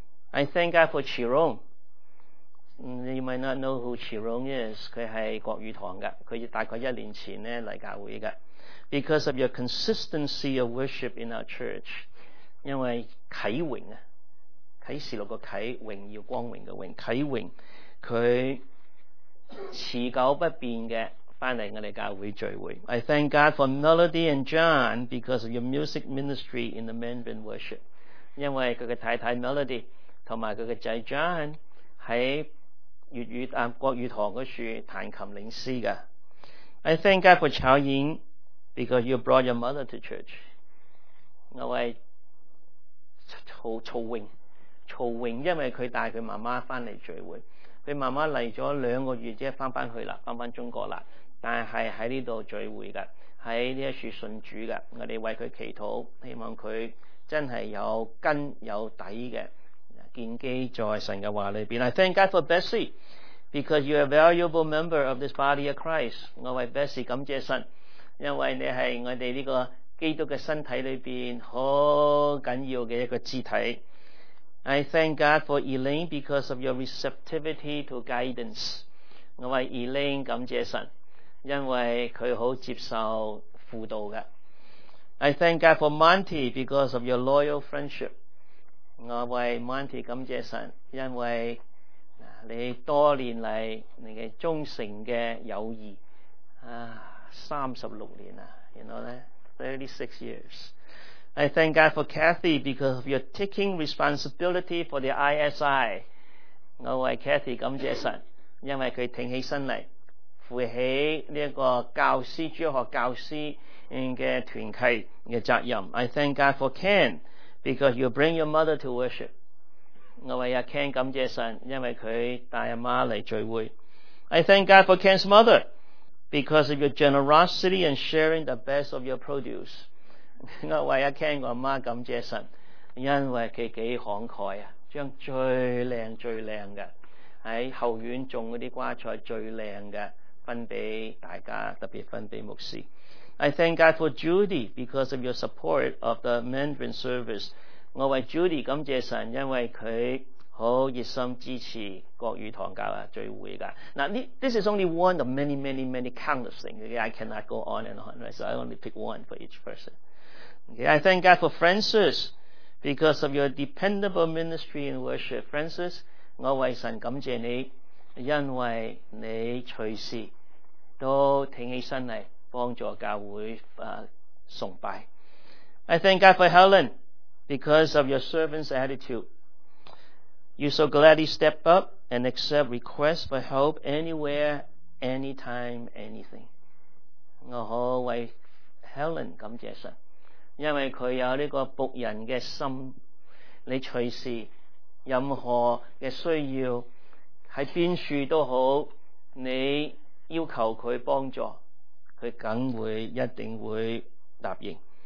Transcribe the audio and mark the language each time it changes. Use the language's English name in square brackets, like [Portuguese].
[English] I thank God for Chirone. You might not know who Chirone is. [Chinese] 他是国语堂的，他大概一年前来教会的。 [English] Because of your consistency of worship in our church. [Chinese] 因为启荣，启示录的启，荣耀光荣的荣，启荣他持久不变的回来我们教会聚会。 [English] I thank God for Melody and John because of your music ministry in the Mandarin worship. [Chinese] 因为他的太太 Melody 和他的仔 John 在国语堂那里弹琴领诗的。 [English] I thank God for Chao Ying because you brought your mother to church. [Chinese] 那位曹荣因为他带他妈妈回来聚会，他妈妈来了两个月就回去了，回到中国了，但是在这里聚会的，在这处信主的，我们为他祈祷，希望他真是有根有底的建基在神的话里面。 [English] I thank God for Bessie because you are a valuable member of this body of Christ. [Chinese] 我为 Bessie 感谢神，因为你是我们这个基督的身体里面很重要的一个肢体。 [English] I thank God for Elaine because of your receptivity to guidance. [Chinese] 我为 Elaine 感谢神，因为他很接受辅导的。 [English] I thank God for Monty because of your loyal friendship. [Chinese] 我为 Monty 感谢神，因为你多年来你的忠诚的友谊啊，36年了， [English] you know that? 36 years. I thank God for Kathy because of your taking responsibility for the ISI. [Chinese] 我为 Kathy 感谢神，因为他挺起身来负起这个教师主要学教师的团契的责任。 [English] I thank God for Ken because you bring your mother to worship. [Chinese] 我为 Ken 感谢神，因为他带妈来聚会。 [English] I thank God for Ken's mother because of your generosity and sharing the best of your produce. [Chinese] 我为 Ken 的妈感谢神，因为他几慷慨，将最靓最靓的在后院种的瓜菜最靓的分给大家，特别分给牧师。 [English] I thank God for Judy because of your support of the Mandarin service. [Chinese] 我为 Judy 感谢神，因为他很热心支持国语堂教的聚会的。 [English] Now, this is only one of many many many countless things. Okay, I cannot go on and on, right? So I only pick one for each person. Okay, I thank God for Francis because of your dependable ministry and worship. [Chinese] Francis, 我为神感谢你，因为你随时都挺起身来帮助教会崇拜。 [English] I thank God for Helen because of your servant's attitude. You so gladly step up and accept requests for help anywhere, anytime, anything. [Chinese] 我好为 Helen 感谢神，因为他有这个仆人的心，你随时任何的需要在哪处都好，你要求他帮助，他梗会一定会答应。